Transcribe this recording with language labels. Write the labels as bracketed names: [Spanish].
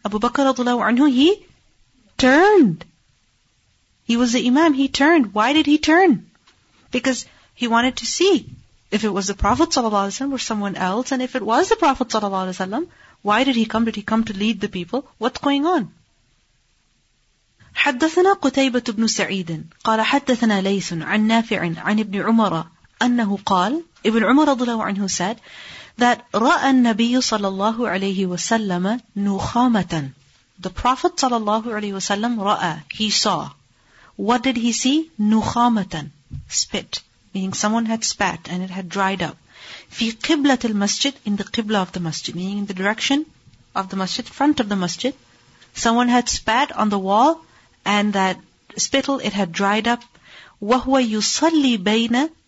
[English] Abu Bakr radiallahu anhu, he turned. He was the imam, he turned. Why did he turn? Because he wanted to see if it was the Prophet sallallahu alaihi wasallam or someone else, and if it was the Prophet sallallahu alaihi wasallam, why did he come? Did he come to lead the people? What's going on? [Arabic] حدثنا قتيبة بن سعيد قال حدثنا ليث عن نافع عن ابن عمر أنه قال ابن عمر رضي الله عنه [English] said that [Arabic] رأى النبي صلى الله عليه وسلم نخامة [English] The Prophet [Arabic] صلى الله عليه وسلم رأى [English] He saw What did he see? نخامة Spit Meaning someone had spat and it had dried up [Arabic] في قبلة المسجد [English] in the قبلة of the masjid meaning in the direction of the masjid front of the masjid someone had spat on the wall and that spittle it had dried up [Arabic] وهو يصلي بين